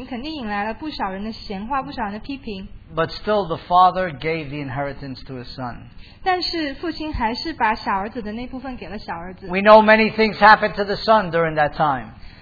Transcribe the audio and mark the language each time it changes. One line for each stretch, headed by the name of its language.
Chinese: 我能够想象在当时那个社会，他这样做的这个事情肯定引来了不少人的闲话，不少人的批评。
English: But still the father gave the inheritance to his son.
Chinese: 但是父亲还是把小儿子的那部分给了小儿子。
English: We know many things happened to the son during that time.